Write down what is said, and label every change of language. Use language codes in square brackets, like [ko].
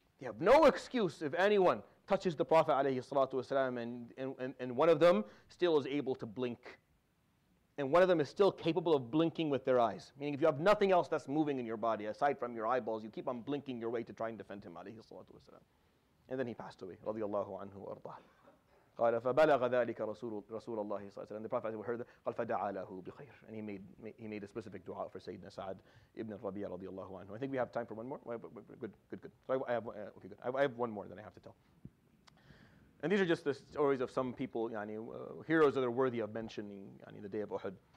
[en] They have no excuse if anyone touches the Prophet [ar] عليه الصلاة والسلام [en] and one of them still is able to blink. And one of them is still capable of blinking with their eyes. Meaning if you have nothing else that's moving in your body aside from your eyeballs, you keep on blinking your way to try and defend him [ar] عليه الصلاة والسلام. [en] And then he passed away. [ar] رضي الله عنه وأرضاه. قال فبلغ ذلك رسول الله صلى الله عليه وسلم. [en] And the Prophet heard that. [ar] قال فدعا له بخير. [en] And he made a specific dua for Sayyidina Sa'd ibn Rabi'a [ar] رضي الله عنه. [en] I think we have time for one more. Good. So I have one more that I have to tell. And these are just the stories of some people, heroes that are worthy of mentioning, the day of Uhud.